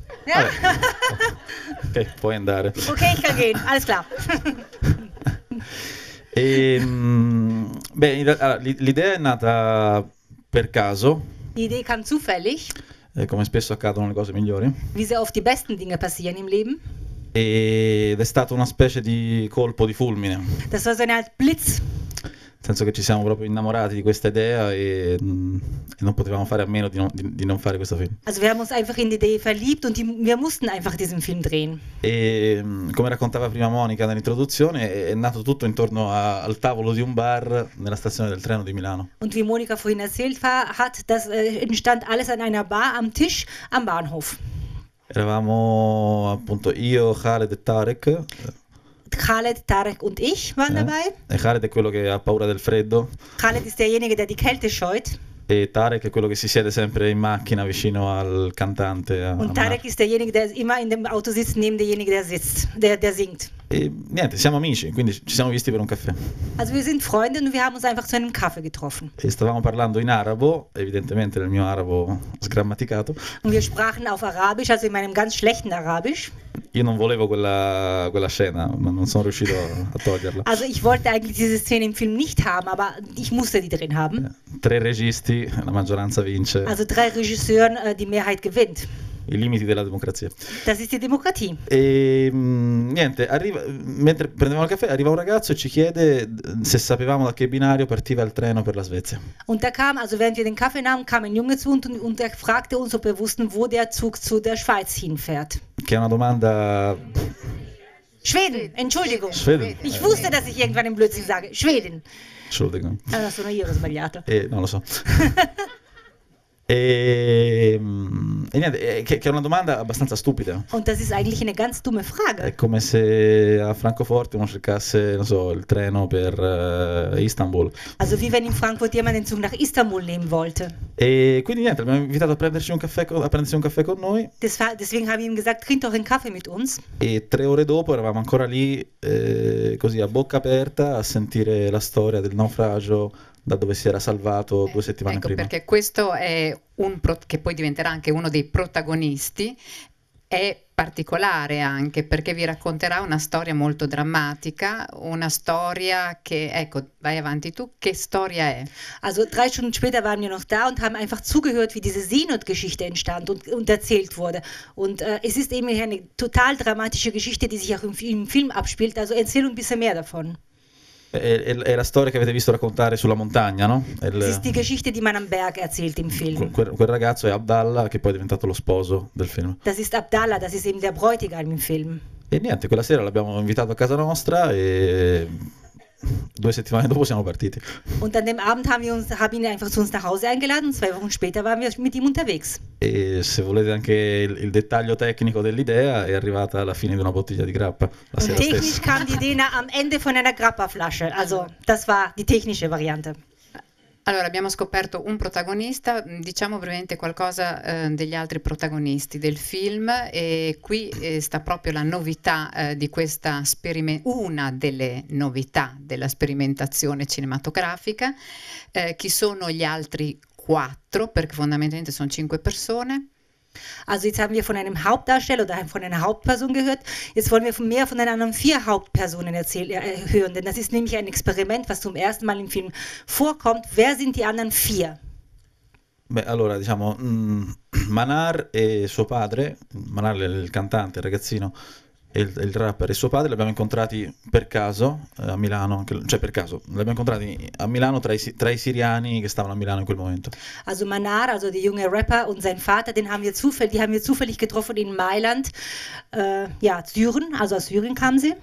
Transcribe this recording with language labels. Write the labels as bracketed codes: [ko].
[it] Vabbè, ok, puoi andare. [de] Okay, ich kann gehen. Alles klar. [it] Beh, l'idea è nata per caso, [de] Die Idee kam zufällig, [it] come spesso accadono le cose migliori. [de] wie sehr oft die besten Dinge passieren im Leben. [it] Ed è stato una specie di colpo di fulmine. [de] Das war so eine Art Blitz. [it] Penso che ci siamo proprio innamorati di questa idea e non potevamo fare a meno di non fare questo film. [de] Also, wir haben uns einfach in die Idee verliebt und wir mussten einfach diesen Film drehen. [it] E come raccontava prima Monica nell'introduzione, è nato tutto intorno al tavolo di un bar nella stazione del treno di Milano. [de] Und wie Monica vorhin erzählt hat, das entstand alles an einer Bar am Tisch am Bahnhof. [it] Eravamo appunto io, Khaled e Tarek. [de] Khaled, Tarek und ich waren dabei. [it] E Khaled è quello che ha paura del freddo. [de] Khaled ist derjenige, der die Kälte scheut. [it] E Tarek è quello che si siede sempre in macchina vicino al cantante. [de] Und Tarek ist derjenige, der immer in dem Auto sitzt, neben derjenige, der sitzt, der singt. [it] E niente, siamo amici, quindi ci siamo visti per un caffè. [de] Also wir sind Freunde und wir haben uns einfach zu einem Kaffee getroffen. [it] E stavamo parlando in arabo, evidentemente nel mio arabo sgrammaticato. [de] Und wir sprachen auf Arabisch, also in meinem ganz schlechten Arabisch. [it] Io non volevo quella scena, ma non sono riuscito a toglierla. [de] Also ich wollte eigentlich diese Szene im Film nicht haben, aber ich musste die drin haben. [it] Tre registi, la maggioranza vince. [de] Also drei Regisseuren, die Mehrheit gewinnt. [it] I limiti della democrazia. [de] Das ist die Demokratie. [it] E niente, mentre prendevamo il caffè, arriva un ragazzo e ci chiede se sapevamo da che binario partiva il treno per la Svezia. [de] Und da kam, also während wir den Kaffee nahmen, kam ein Junge zu uns und er fragte uns, ob wir wussten, wo der Zug zu der Schweiz hinfährt. [it] Che è una domanda. [de] Schweden, Entschuldigung. Schweden. Ich wusste, dass ich irgendwann im Blödsinn sage. Schweden. Entschuldigung. [it] Ah, das sono io, ho sbagliato. Non lo so. E niente, che è una domanda abbastanza stupida. [de] Und das ist eigentlich eine ganz dumme Frage. [it] È come se a Francoforte uno cercasse, non so, il treno per Istanbul. [de] Also wie wenn in Frankfurt jemand den Zug nach Istanbul nehmen wollte. [it] E quindi niente, abbiamo invitato a prendersi un caffè con noi. [de] Deswegen habe ich ihm gesagt, trink doch einen Kaffee mit uns. [it] E tre ore dopo eravamo ancora lì, così a bocca aperta, a sentire la storia del naufragio. Da dove si era salvato due settimane ecco, prima. Ecco, perché questo è un che poi diventerà anche uno dei protagonisti, è particolare anche perché vi racconterà una storia molto drammatica, una storia che, ecco, vai avanti tu, che storia è? [de] Also drei Stunden später waren wir noch da und haben einfach zugehört, wie diese Seenotgeschichte entstand und erzählt wurde. Und es ist eben eine total drammatische Geschichte, die sich auch im Film abspielt, also erzähl ein bisschen mehr davon. [it] È la storia che avete visto raccontare sulla montagna, no? [de] Ist die Geschichte, die man am Berg erzählt im Film. [it] Quel ragazzo è Abdallah, che poi è diventato lo sposo del film. [de] Das ist Abdallah, das ist eben der Bräutigam im Film. [it] E niente, quella sera l'abbiamo invitato a casa nostra e due settimane dopo siamo partiti. [de] Und an dem Abend haben ihn einfach zu uns nach Hause eingeladen, zwei Wochen später waren wir mit ihm unterwegs. [it] E se volete anche il dettaglio tecnico dell'idea, è arrivata alla fine di una bottiglia di grappa la sera stessa. [de] Technisch kam die Idee am Ende von einer Grappaflasche, also das war die technische Variante. [it] Allora, abbiamo scoperto un protagonista, diciamo brevemente qualcosa degli altri protagonisti del film e qui sta proprio la novità di questa una delle novità della sperimentazione cinematografica. Chi sono gli altri quattro? Perché fondamentalmente sono cinque persone. [de] Also jetzt haben wir von einem Hauptdarsteller oder von einer Hauptperson gehört. Jetzt wollen wir mehr von den anderen vier Hauptpersonen hören, denn das ist nämlich ein Experiment, was zum ersten Mal im Film vorkommt. Wer sind die anderen vier? [it] Beh, allora, diciamo, Manar e suo padre, Manar è il cantante, il ragazzino, il rapper e suo padre li abbiamo incontrati per caso a Milano, cioè per caso li abbiamo incontrati a Milano tra i siriani che stavano a Milano in quel momento. [de] Also Manar, also der junge Rapper und sein Vater, die haben wir zufällig getroffen in Mailand, ja, Syrien, also aus Syrien kamen sie.